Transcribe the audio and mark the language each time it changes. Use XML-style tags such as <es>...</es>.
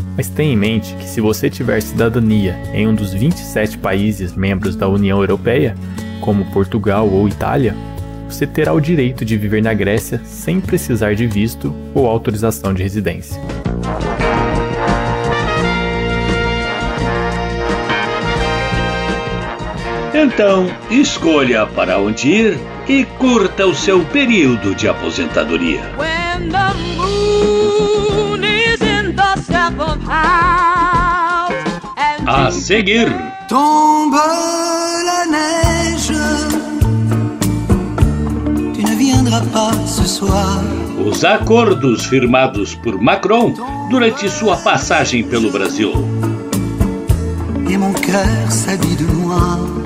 <pt>Mas tenha em mente que se você tiver cidadania em um dos 27 países membros da União Europeia, como Portugal ou Itália, você terá o direito de viver na Grécia sem precisar de visto ou autorização de residência. Então, escolha para onde ir e curta o seu período de aposentadoria.</pt> <en>When the moon is in the seventh house, and</en> <pt>a seguir...</pt> <fr>Tombe la neige, tu ne viendras pas ce soir.</fr> <pt>Os acordos firmados por Macron durante sua passagem pelo Brasil.</pt> <fr>Et mon cœur s'habille de noir.</fr>